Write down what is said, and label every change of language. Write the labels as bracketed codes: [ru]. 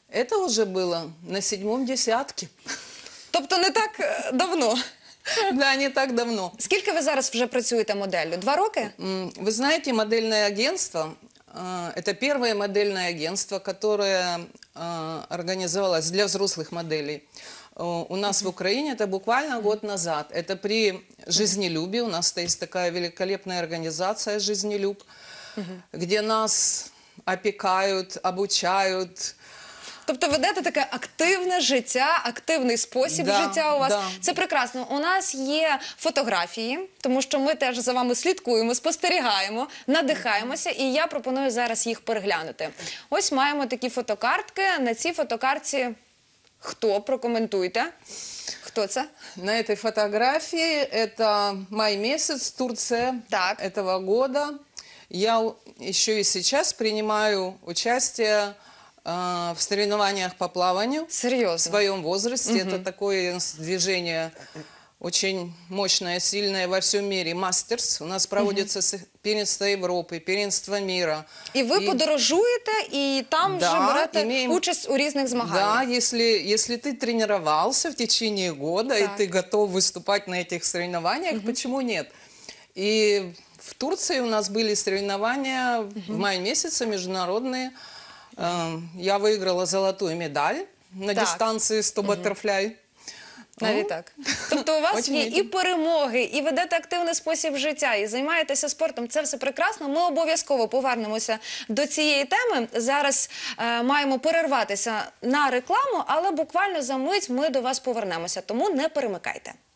[uk] Це вже було на 7-му десятці. Тобто не так давно? Так, не так давно. Скільки ви зараз вже працюєте моделлю? 2 роки? Ви знаєте, модельне агентство – це перше модельне агентство, яке організувалося для дорослих моделей. [ru] У нас в Украине это буквально год назад. Это при «Жизнелюбе». У нас есть такая великолепная организация «Жизнелюб», где нас опекают, обучают. [uk] Тобто ведете таке активне життя, активний спосіб життя у вас. Це прекрасно. У нас є фотографії, тому що ми теж за вами слідкуємо, спостерігаємо, надихаємося, і я пропоную зараз їх переглянути. Ось маємо такі фотокартки. На цій фотокартці Хто? Прокоментуйте. [ru] Кто это? На этой фотографии это май месяц, Турция, так, этого года. Я еще и сейчас принимаю участие в соревнованиях по плаванию. Серьезно? В своем возрасте. Угу. Это такое движение очень мощное, сильное во всем мире. Мастерс. У нас проводится первенство Европы, первенство мира. И вы подорожуете, и там же брать участь у разных соревнований. Да, если ты тренировался в течение года, так, и ты готов выступать на этих соревнованиях, почему нет? И в Турции у нас были соревнования в мае месяце, международные. Я выиграла золотую медаль на дистанции 100 баттерфляй. [uk] Навіть так. Тобто у вас є і перемоги, і ведете активний спосіб життя, і займаєтеся спортом. Це все прекрасно. Ми обов'язково повернемося до цієї теми. Зараз маємо перерватися на рекламу, але буквально за мить ми до вас повернемося. Тому не перемикайте.